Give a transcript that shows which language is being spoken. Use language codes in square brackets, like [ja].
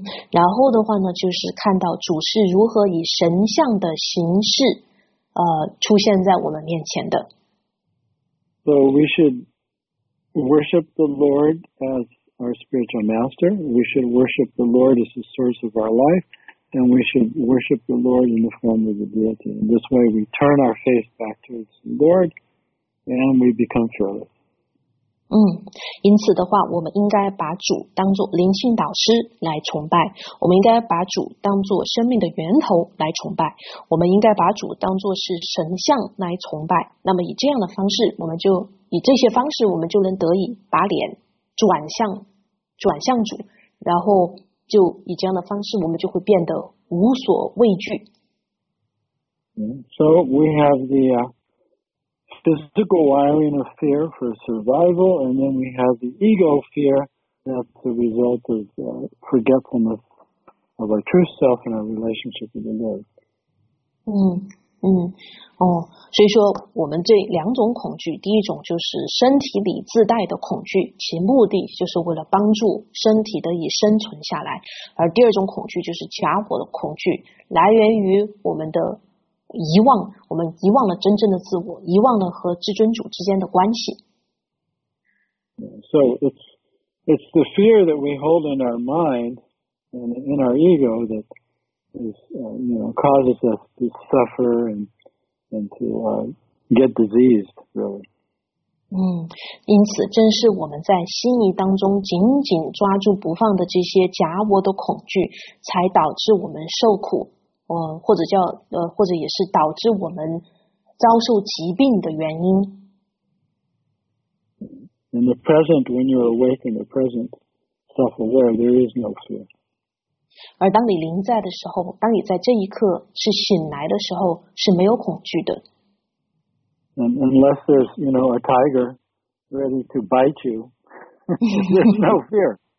[zh] 然后的话呢，就是看到主是如何以神像的形式，出现在我们面前的。 [en] So we should worship the Lord as our spiritual master, we should worship the Lord as the source of our life, and we should worship the Lord in the form of the deity. In this way, we turn our face back towards the Lord, and we become fearless. [zh] 因此的话，我们应该把主当作灵性导师来崇拜，我们应该把主当作生命的源头来崇拜，我们应该把主当作是神像来崇拜。那么以这样的方式，我们就以这些方式，我们就能得以把脸转向主，然后就以这样的方式，我们就会变得无所畏惧。 [en] So we have the physical wiring of fear for survival, and then we have the ego fear that's the result of forgetfulness of our true self and our relationship with the Lord. [zh] 所以说我们这两种恐惧，第一种就是身体里自带的恐惧，其目的就是为了帮助身体得以生存下来，而第二种恐惧就是假我的恐惧，来源于我们的遗忘，我们遗忘了真正的自我，遗忘了和至尊主之间的关系。 [en] So it's the fear that we hold in our mind and in our ego thatcauses us to suffer and to get diseased, really. [zh] 因此正是我们在心意当中紧紧抓住不放的这些假我的恐惧，才导致我们受苦，或者也是导致我们遭受疾病的原因。 [en] In the present, when you're awake in the present, self-aware, there is no fear. [zh] 而当你临在的时候，当你在这一刻是醒来的时候，是没有恐惧的。 [en] Unless there's, you know, a tiger ready to bite you, there's no fear.